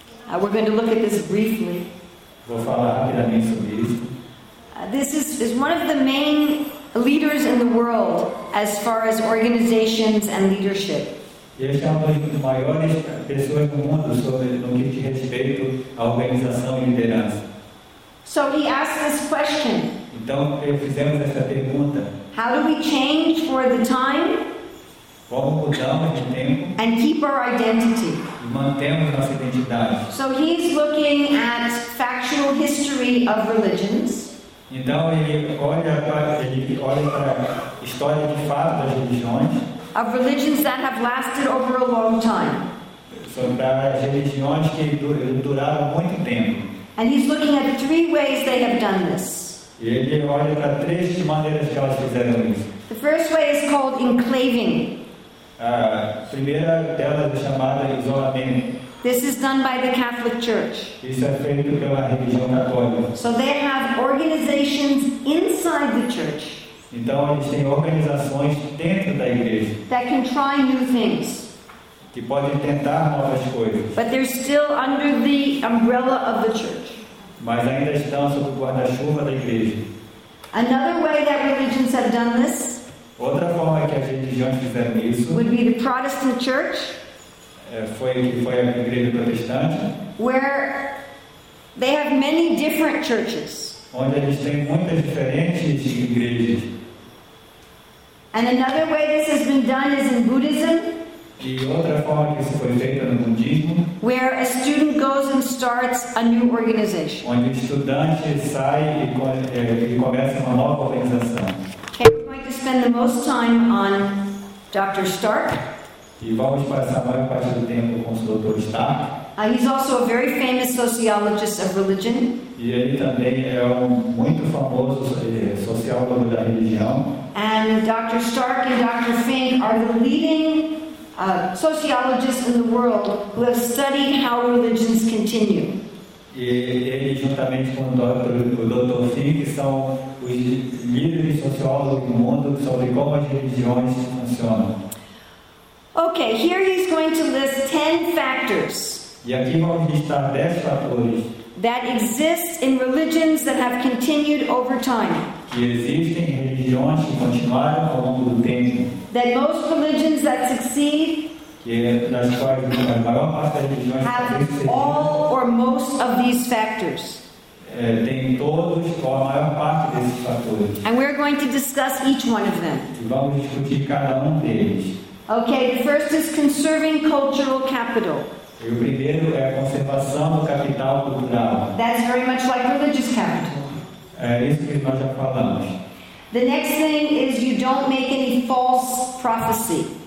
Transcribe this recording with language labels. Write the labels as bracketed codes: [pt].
[en] We're going to look at this briefly. [pt] Vou falar rapidamente sobre isso. [en] This is one of the main leaders in the world as far as organizations and leadership. [pt] Este é uma das maiores pessoas do mundo sobre no que diz respeito à organização e liderança. [en] So he asked this question. [pt] Então fizemos essa pergunta. [en] How do we change for the time? [pt] Como mudamos de tempo? [en] And keep our identity. [pt] E mantemos nossa identidade. [en] So he's looking at factual history of religions. [pt] Então ele olha para a história de fato das religiões. [en] Of religions that have lasted over a long time. [pt] Religiões que duraram muito tempo. [en] And he's looking at three ways they have done this. [pt] Ele olha para três maneiras que elas fizeram isso. [en] The first way is called enclaving. [pt] A primeira delas é chamada isolamento. [en] This is done by the Catholic Church. [pt] Isso é feito pela religião católica. [en] So they have organizations inside the church. [pt] Então eles têm organizações dentro da igreja. [en] That can try new things. [pt] Que podem tentar novas coisas. [en] But they're still under the umbrella of the church. [pt] Mas ainda estão sob o guarda-chuva da igreja. [en] Another way that religions have done this. [pt] Outra forma que as religiões fizeram isso. [en] Would be the Protestant Church. [pt] Foi a igreja protestante. [en] Where they have many different churches. [pt] Onde eles têm muitas diferentes igrejas. [en] And another way this has been done is in Buddhism. [pt] E outra forma que isso foi feita no budismo. [en] Where a student goes and starts a new organization. [pt] Onde o estudante sai e começa uma nova organização. [en] Okay, we're going to spend the most time on Dr. Stark. [pt] E vamos passar a maior parte do tempo com o Dr. Stark. [en] He's also a very famous sociologist of religion. [pt] E ele também é muito famoso sociólogo da religião. [en] And Dr. Stark and Dr. Fink are the leading sociologists in the world who have studied how religions continue. [pt] E ele juntamente com o Dr. Fink são os líderes sociólogos do mundo sobre como as religiões funcionam. [en] Okay, here he's going to list 10 factors. [pt] E aqui vamos listar 10 fatores. [en] That exists in religions that have continued over time. [pt] Que existem religiões que continuaram ao longo do tempo. [en] That most religions that succeed. [pt] Que nas quais a maior parte das religiões [en] have all or most of these factors. [pt] Tem todos ou a maior parte desses fatores. [en] And we're going to discuss each one of them. [pt] E vamos discutir cada deles. [en] Okay, the first is conserving cultural capital. [pt] E o primeiro é a conservação do capital cultural. [en] That's very much like religious capital. [pt] É isso que nós já falamos. [en] The next thing is you don't make any false prophecy.